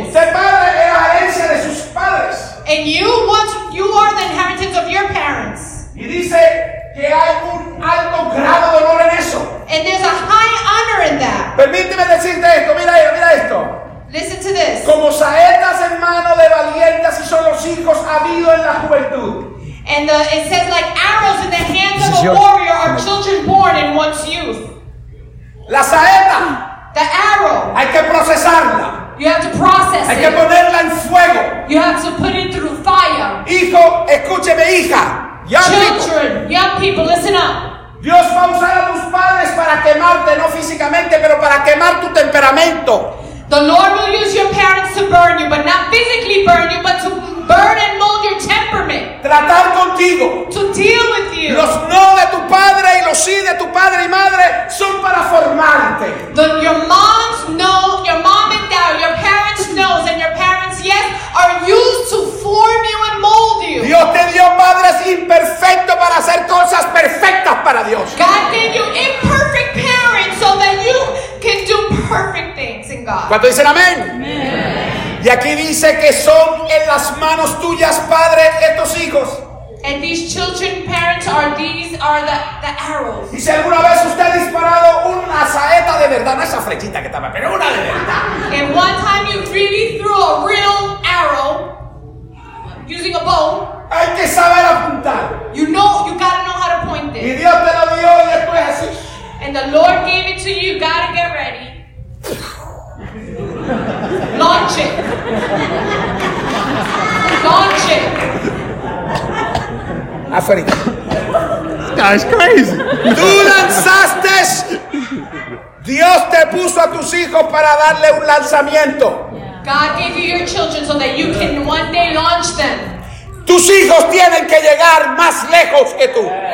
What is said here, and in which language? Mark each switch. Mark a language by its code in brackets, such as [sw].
[es] Usted padre es la herencia de sus padres. [en] And you, what, you are the inheritance of your parents. [es] Y dice que hay un alto grado de honor en eso. [en] And there's a high honor in that. [es] Permíteme decirte esto, mira, mira esto. [en] Listen to this. [es] Como saetas en mano de valientes, así son los hijos habido en la juventud. [en] And the, it says like arrows in the hands of a warrior are children born in one's youth. [es] La saeta. [en] The arrow. [es] Hay que procesarla. [en] You have to process it. [es] Hay que ponerla en fuego. [en] You have to put it through fire. [es] Hijo, escúcheme, hija. [en] Children, young people, listen up. [es] Dios va a usar a tus padres para quemarte, no físicamente, pero para quemar tu temperamento. [en] The Lord will use your parents to burn you, but not physically burn you, but to burn and mold your temperament. [es] Tratar contigo. [en] To deal with you. [es] Los no de tu padre y los sí de tu padre y madre son para formarte. [en] The, your mom's no, your mom and dad, your parents' no's and your parents' yes are used to form you and mold you. [es] Dios te dio padres imperfectos para hacer cosas perfectas para Dios. [en] God gave you imperfect parents so that you can do perfect things in God. [es] ¿Cuánto dicen amén? [en] Amen. [es] Y aquí dice que son en las manos tuyas, padre, estos hijos. [en] And these children, parents, are these are the arrows. [es] Y si alguna vez usted ha disparado una saeta de verdad, no esa flechita que estaba, pero una de verdad. [en] And one time you really threw a real arrow using a bow. [es] Hay que saber apuntar. [en] You know, you gotta know how to point it. [es] Y Dios te lo dio y esto es así. [en] And the Lord gave it to you. You gotta get ready. Launch it. Launch it. [es] Afuera. [en] This guy's crazy. [es] Tú lanzaste. Dios te puso a tus hijos para darle un lanzamiento. [en] God gave you your children so that you can one day launch them. [es] Tus hijos tienen que llegar más lejos que tú.